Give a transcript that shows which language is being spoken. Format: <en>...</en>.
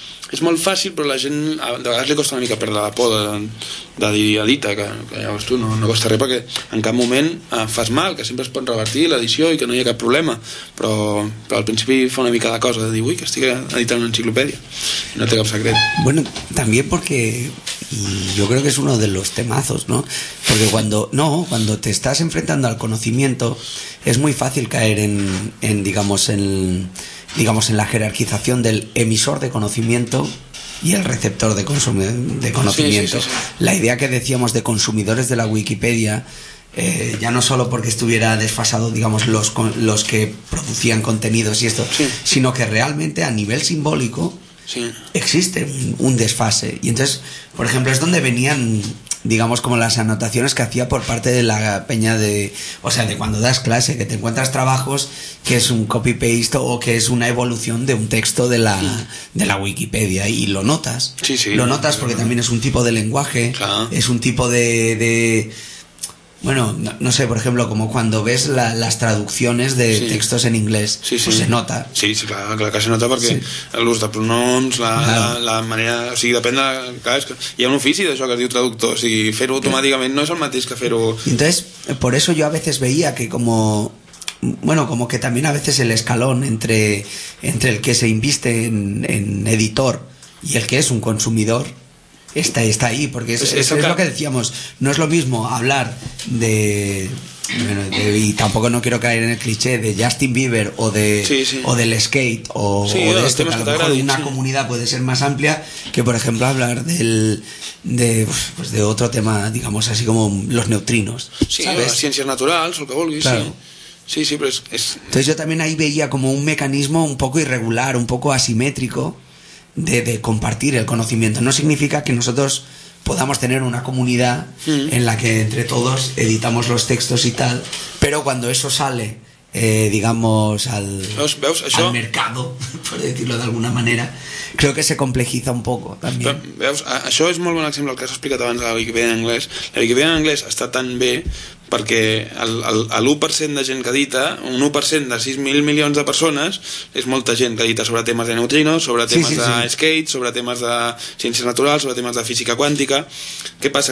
<ca>És molt fàcil, però la gent de vegades li costa una mica perdre la por de dir edita, que llavors tu no costa res perquè en cap moment fas mal, que sempre es pot revertir l'edició i que no hi ha cap problema, però al principi fa una mica de cosa de dir, ui, que estic editant una enciclopèdia, no té cap secret. Bueno, també perquè jo crec que és</ca> <es>uno de los temazos, ¿no? Porque cuando te estás enfrentando al conocimiento es muy fácil caer en la jerarquización del emisor de conocimiento y el receptor de conocimiento. Sí, sí, sí, sí. La idea que decíamos de consumidores de la Wikipedia, ya no solo porque estuviera desfasado, digamos, los que producían contenidos y esto, sí, sino que realmente a nivel simbólico, sí, existe un desfase. Y entonces, por ejemplo, es donde venían, digamos, como las anotaciones que hacía por parte de la peña de, o sea, de cuando das clase, que te encuentras trabajos que es un copy paste o que es una evolución de un texto de la Wikipedia y lo notas. Sí, sí. Lo notas porque también es un tipo de lenguaje, claro. Es un tipo de bueno, no sé, por ejemplo, como cuando ves las traducciones de sí. textos en inglés, sí, sí. Pues se nota. Sí, sí, claro que se nota porque sí.</es> <ca>l'ús de pronoms, la manera... O sigui, depèn de... Clar, és que hi ha un ofici d'això que es diu traductor, o sigui, fer-ho automàticament no és el mateix que fer-ho...</ca> <es>Entonces, por eso yo a veces veía que como... Bueno, como que también a veces el escalón entre el que se inviste en editor y el que es un consumidor... Está ahí, porque es lo que decíamos, no es lo mismo hablar de y tampoco no quiero caer en el cliché de Justin Bieber o de sí, sí. o del skate o de esto, que a lo mejor una sí. comunidad puede ser más amplia que por ejemplo hablar de otro tema, digamos así como los neutrinos, sí, ¿sabes? Las ciencias naturales o lo que vulguis, claro. Sí. Sí, sí, pero es entonces yo también ahí veía como un mecanismo un poco irregular, un poco asimétrico de compartir el conocimiento. No significa que nosotros podamos tener una comunidad en la que entre todos editamos los textos y tal, pero cuando eso sale, digamos, al mercado, por decirlo de alguna manera, creo que se complejiza un poco también.</es> <ca>Però, veus, això és molt bon exemple, el que has explicat abans de la Wikipedia en anglès. La Wikipedia en anglès està tan bé perquè el 1% de gent que edita, un 1% de 6.000 milions de persones, és molta gent que edita sobre temes de neutrinos, sobre temes sí, sí, de sí. skate, sobre temes de ciències naturals, sobre temes de física quàntica. Què passa?</ca>